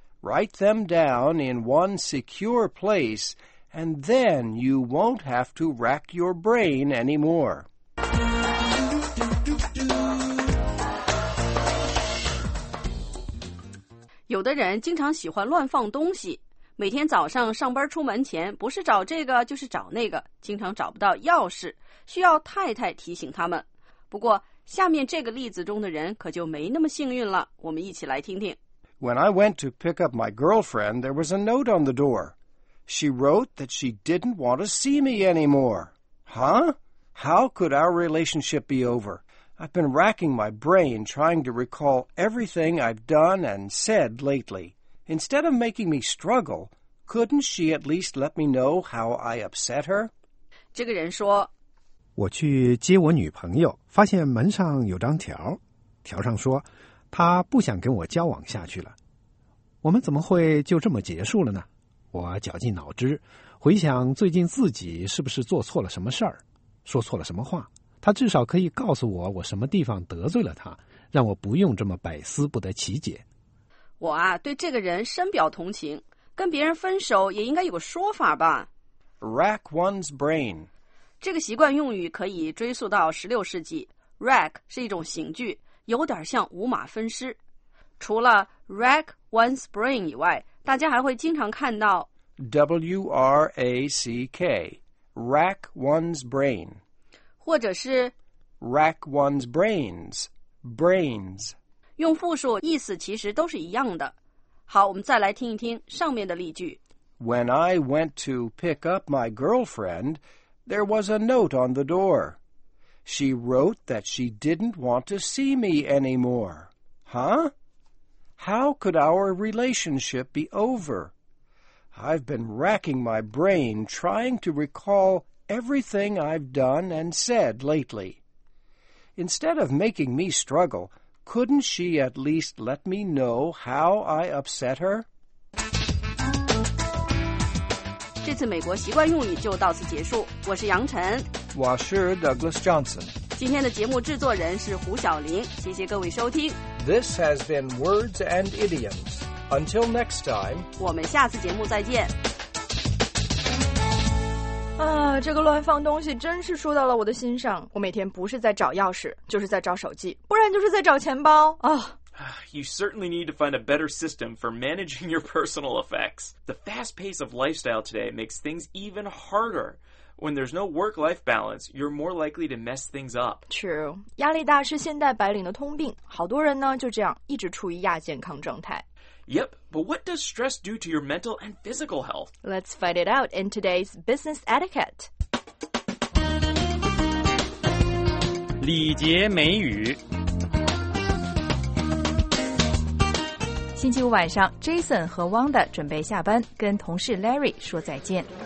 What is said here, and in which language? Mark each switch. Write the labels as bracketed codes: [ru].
[en] Write them down in one secure place, and then you won't have to rack your brain anymore. Some people often like to leave things around. [zh] 每天早上上班出门前，不是找这个就是找那个，经常找不到钥匙，需要太太提醒他们。不过，下面这个例子中的人可就没那么幸运了，我们一起来听听。 [en] When I went to pick up my girlfriend, there was a note on the door. She wrote that she didn't want to see me anymore. Huh? How could our relationship be over? I've been racking my brain trying to recall everything I've done and said lately. Instead of making me struggle, couldn't she at least let me know how I upset her? [zh] 这个人说，我去接我女朋友，发现门上有张条，条上说，她不想跟我交往下去了。我们怎么会就这么结束了呢？我绞尽脑汁，回想最近自己是不是做错了什么事儿，说错了什么话。她至少可以告诉我，我什么地方得罪了她，让我不用这么百思不得其解。我啊，对这个人深表同情，跟别人分手也应该有个说法吧。 [en] Rack one's brain. [zh] 这个习惯用语可以追溯到16世纪。 Rack 是一种刑具，有点像五马分尸。除了 [en] rack one's brain [zh] 以外，大家还会经常看到 [en] W-R-A-C-K, rack one's brain. [zh] 或者是 [en] rack one's brains, brains. [zh] 用复数意思其实都是一样的。好，我们再来听一听上面的例句。 [en] When I went to pick up my girlfriend, there was a note on the door. She wrote that she didn't want to see me anymore. Huh? How could our relationship be over? I've been racking my brain trying to recall everything I've done and said lately. Instead of making me struggle... Couldn't she at least let me know how I upset her? [zh] 这次美国习惯用语就到此结束。我是杨晨，我是 Douglas Johnson。今天的节目制作人是胡晓玲。谢谢各位收听。 [en] This has been Words and Idioms. Until next time. [zh] 我们下次节目再见。啊，这个乱放东西真是说到了我的心上。我每天不是在找钥匙，就是在找手机，不然就是在找钱包啊。 [en] You certainly need to find a better system for managing your personal effects. The fast pace of lifestyle today makes things even harder. When there's no work-life balance, you're more likely to mess things up. True. [zh] 压力大是现代白领的通病，好多人呢就这样一直处于亚健康状态。 [en] Yep, but what does stress do to your mental and physical health? Let's find it out in today's business etiquette. [zh] 礼节美语。星期五晚上 ，Jason 和 Wanda 准备下班，跟同事 Larry 说再见。